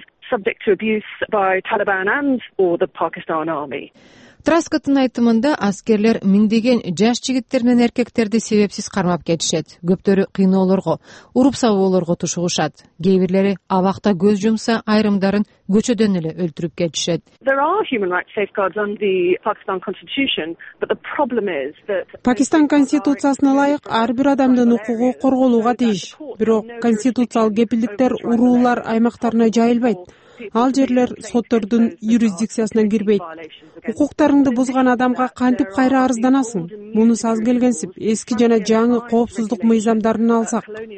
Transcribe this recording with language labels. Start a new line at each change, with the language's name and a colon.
English: Subject to abuse by Taliban and or the Pakistan army.
Kyrgyz: Траскоттун айтымында аскерлер миңдеген жаш жигиттер менен эркектерди себепсиз кармап кетишет. Көптөрү кыйноолорго, уруп-сабоолорго тушугушат. Кээ бирлери абакта көз жумса, айрымдарын көчөдөн эле өлтүрүп кетишет.
English: There are human rights safeguards on the Pakistan constitution, but the problem is that
Kyrgyz: Пакистан конституциясына ылайык ар бир адамдын укугу корголууга тийиш. Бирок конституциялык кепилдиктер уруулар аймактарына жайылбайт. Ал жерлер соттордун юрисдикциясына кирбейт. Укуктарыңды бузган адамга кантип кайра арызданасың? Муну саз келгенсип, эски жана жаңы коопсуздук мыйзамдарын алсак.